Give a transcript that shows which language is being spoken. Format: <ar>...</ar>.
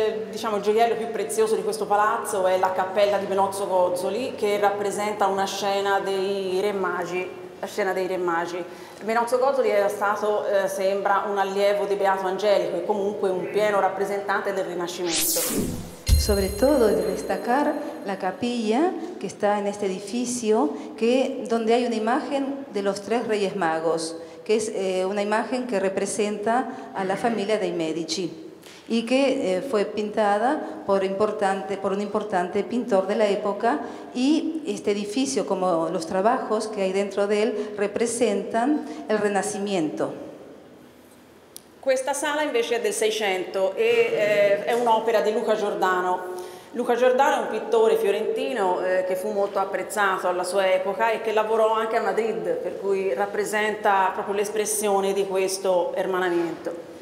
<it>Diciamo, il gioiello più prezioso di questo palazzo è la cappella di Benozzo Gozzoli, che rappresenta una scena dei Re Magi, la scena dei Re Magi. Benozzo Gozzoli era stato, sembra, un allievo di Beato Angelico e comunque un pieno rappresentante del Rinascimento.</it> <es>Sobre todo de destacar la capilla que está en este edificio, que donde hay una imagen de los tres Reyes Magos, que es una imagen que representa a la familia de Medici y que fue pintada por un importante pintor de la época, y este edificio, como los trabajos que hay dentro de él, representan el Renacimiento.</es> <it>Questa sala invece è del 600 e è un'opera di Luca Giordano. Luca Giordano è un pittore fiorentino che fu molto apprezzato alla sua epoca e che lavorò anche a Madrid, per cui rappresenta proprio l'espressione di questo hermanamiento.</it>